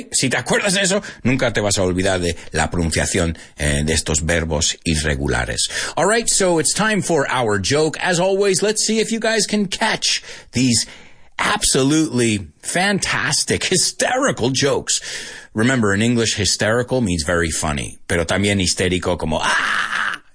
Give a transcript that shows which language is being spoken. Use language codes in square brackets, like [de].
[es] Si te acuerdas de eso, nunca te vas a olvidar de la pronunciación de estos verbos irregulares. [en] All right, so it's time for our joke. As always, let's see if you guys can catch these absolutely fantastic, hysterical jokes. Remember, in English, hysterical means very funny, [es] pero también histérico como ¡ah!